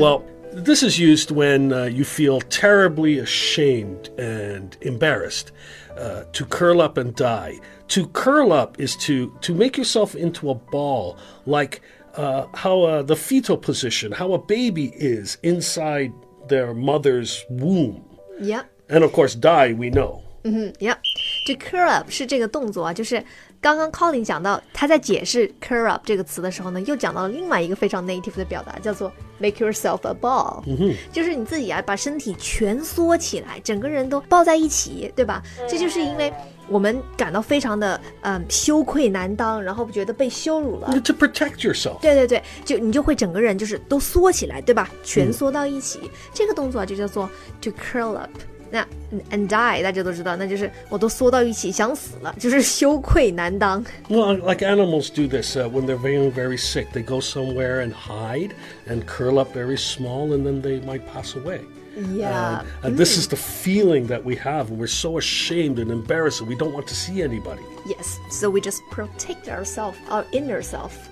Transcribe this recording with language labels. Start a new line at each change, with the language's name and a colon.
English: Well, this is used when you feel terribly ashamed and embarrassed. To curl up and die. To curl up is to make yourself into a ball, like how the fetal position, how a baby is inside their mother's womb. Yep. And of course, die, we know. Mm-hmm. Yep.
Chinese: 这 curl up 是这个动作啊，就是刚刚 Colin 讲到他在解释 curl up 这个词的时候呢，又讲到了另外一个非常 native 的表达，叫做
English: make yourself a ball，
Chinese: 就是你自己啊把身体蜷缩起来，整个人都抱在一起，对吧？这就是因为我们感到非常的羞愧难当，然后觉得被羞辱了。
English: To protect yourself。
Chinese: 对，就你就会整个人就是都缩起来，对吧？蜷缩到一起，这个动作就叫做 to curl up。那 and die 大家都知道，那就是我都缩到一起想死了，就是羞愧难当。
English: Well, like animals do this when they're very, very sick, they go somewhere and hide and curl up very small, and then they might pass away. Yeah. And this is the feeling that we have when we're so ashamed and embarrassed and we don't want to see anybody. Yes. So we just protect ourselves, our inner self.